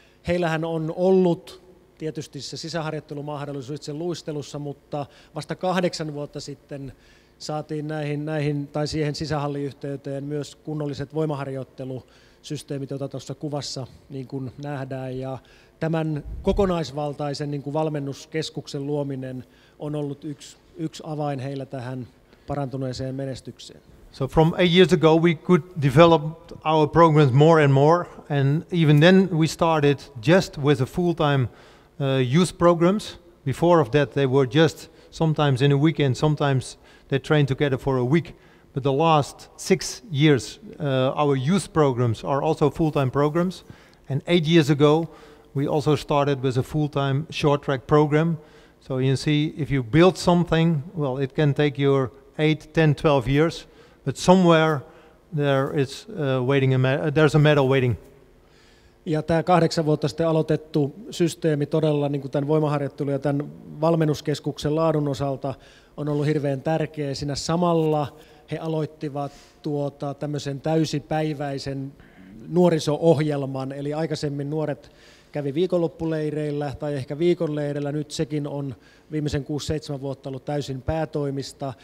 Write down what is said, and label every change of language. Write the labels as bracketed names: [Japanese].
[Finnish] Heillähän on ollut tietysti se sisäharjoittelumahdollisuus itse luistelussa, mutta vasta 8 vuotta sitten saatiin näihin tai siihen sisähalliyhteyteen myös kunnolliset voimaharjoittelusysteemit, joita tuossa kuvassa niin kuin nähdään. Ja tämän kokonaisvaltaisen niin kuin valmennuskeskuksen luominen on ollut yksi avain heillä tähän parantuneeseen menestykseen. [English] So from 8 years ago, we could develop our programs more and more, and even then we started just with a full-time youth programs. Before of that, they were just sometimes in a weekend, sometimes they trained together for a week. But the last 6 years, our youth programs are also full-time programs, and 8 years ago, we also started with a full-time short track program. So you see, if you build something, well, it can take your 8, 10, 12 years, but somewhere there's a medal waiting. [Finnish] Ja tämä 8 vuotta sitten aloitettu systeemi todella niin kuin tämän voimaharjoittelun ja tämän valmennuskeskuksen laadun osalta on ollut hirveän tärkeä. Siinä samalla he aloittivat tämmöisen täysipäiväisen nuoriso-ohjelman, eli aikaisemmin nuoret kävi viikonloppuleireillä tai ehkä viikonleireillä, nyt sekin on viimeisen 6-7 vuotta ollut täysin päätoimista.